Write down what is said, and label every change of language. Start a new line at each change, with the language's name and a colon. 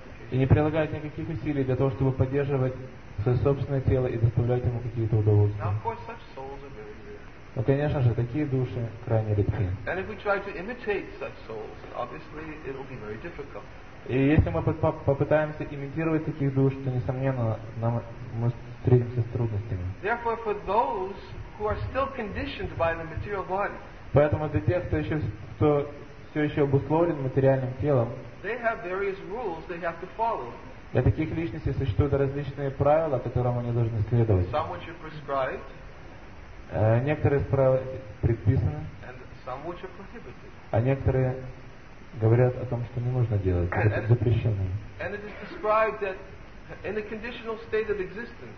Russian: И не прилагает никаких усилий для того, чтобы поддерживать свое собственное тело и доставлять ему какие-то удовольствия.
English: Now, of course, such souls are very rare.
Russian: Но, конечно же, такие души крайне редки.
English: And if we try to imitate such souls, obviously it will be very difficult.
Russian: И если мы попытаемся имитировать таких душ, то, несомненно, мы встретимся с трудностями.
English: Therefore, for those who are still conditioned by the material body,
Russian: поэтому для тех, кто все еще обусловлен материальным телом,
English: they have various rules they have to follow.
Russian: Для таких личностей существуют различные правила, которым они должны следовать.
English: Some which are prescribed,
Russian: некоторые из правил предписаны,
English: and some which are prohibited.
Russian: А некоторые говорят о том, что не нужно делать, это запрещено.
English: And it is described that in a conditional state of existence,